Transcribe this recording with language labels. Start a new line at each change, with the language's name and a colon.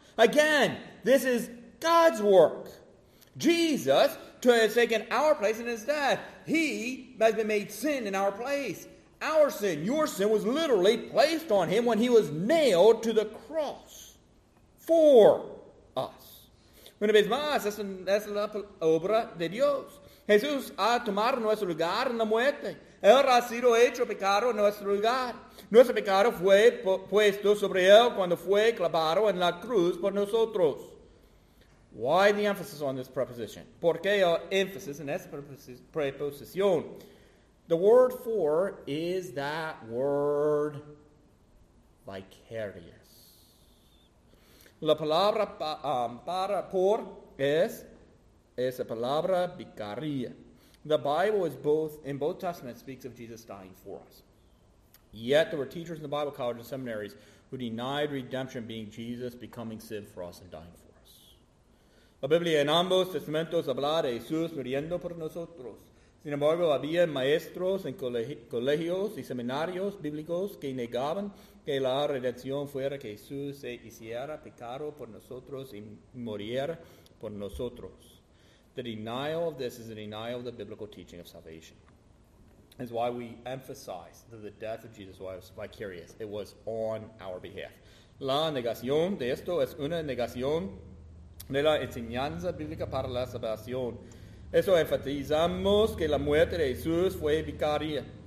English: Again, this is God's work. Jesus has taken our place in his death. He has been made sin in our place. Our sin, your sin, was literally placed on him when he was nailed to the cross for us.
Spanish: Una vez más, esa es la obra de Dios. Jesús ha tomado nuestro lugar en la muerte. Él ha sido hecho pecado en nuestro lugar. Nuestro pecado fue puesto sobre él cuando fue clavado en la cruz por nosotros.
English: Why the emphasis on this preposition?
Spanish: ¿Por qué el énfasis en esa preposición?
English: The word for is that word vicarious.
Spanish: La palabra para por es esa palabra vicaria.
English: The Bible is both, in both Testaments, speaks of Jesus dying for us. Yet there were teachers in the Bible college and seminaries who denied redemption being Jesus becoming sin for us and dying for us.
Spanish: La Biblia en ambos testamentos habla de Jesús muriendo por nosotros. Sin embargo, había maestros en colegios y seminarios bíblicos que negaban que la redención fuera que Jesús se hiciera pecado por nosotros y muriera por nosotros.
English: The denial of this is a denial of the biblical teaching of salvation. That's why we emphasize that the death of Jesus was vicarious. It was on our behalf.
Spanish: La negación de esto es una negación de la enseñanza bíblica para la salvación. Eso enfatizamos que la muerte de Jesús fue vicaria.